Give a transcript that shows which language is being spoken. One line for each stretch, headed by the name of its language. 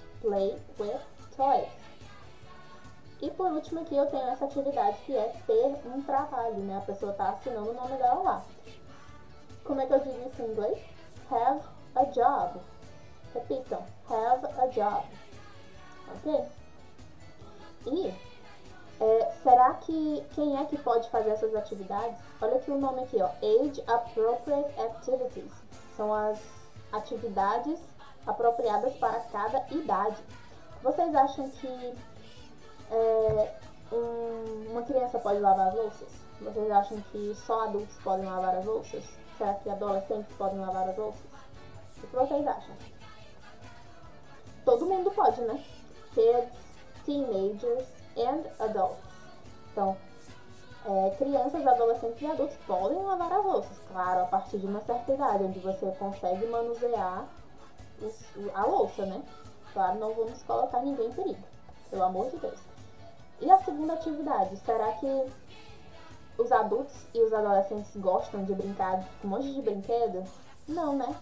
English: Play with toys.
Portuguese: E por último aqui eu tenho essa atividade que é ter um trabalho, né? A pessoa tá assinando o nome dela lá. Como é que eu digo isso em inglês?
English: Have a job.
Portuguese: Repitam.
English: Have a job. Ok?
Portuguese: Será que quem é que pode fazer essas atividades? Olha aqui o nome aqui, ó.
English: Age Appropriate Activities.
Portuguese: São as atividades apropriadas para cada idade. Vocês acham que uma criança pode lavar as louças? Vocês acham que só adultos podem lavar as louças? Será que adolescentes podem lavar as louças? O que vocês acham? Todo mundo pode, né?
English: Kids, teenagers and adults.
Portuguese: Então, crianças, adolescentes e adultos podem lavar as louças, claro, a partir de uma certa idade, onde você consegue manusear a louça, né? Claro, não vamos colocar ninguém em perigo, pelo amor de Deus. E a segunda atividade, será que os adultos e os adolescentes gostam de brincar com um monte de brinquedo? Não, né?